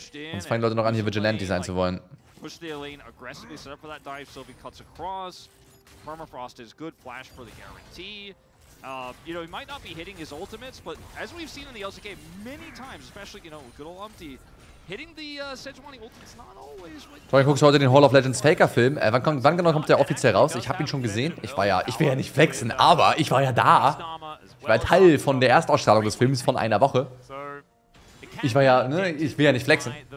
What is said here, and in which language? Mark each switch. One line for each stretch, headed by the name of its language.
German: Sonst fangen Leute noch an hier Vigilante sein zu wollen.
English: Push the lane aggressively set up for that dive. Sylvie cuts across. Permafrost is good. Flash for the guarantee. You know, he might not be hitting his ultimates, but as we've seen in the LCK many times, especially, you know, good old Umpty, hitting the Sejuani ultimates not always with...
German: Tony, guckst du heute den Hall of Legends Faker-Film? Wann genau kommt der offiziell raus? Ich hab ihn schon gesehen. Ich will ja nicht flexen, aber ich war ja da. Ich war Teil von der Erstausstrahlung des Films von einer Woche. Ich war ja, ne, ich will ja nicht flexen.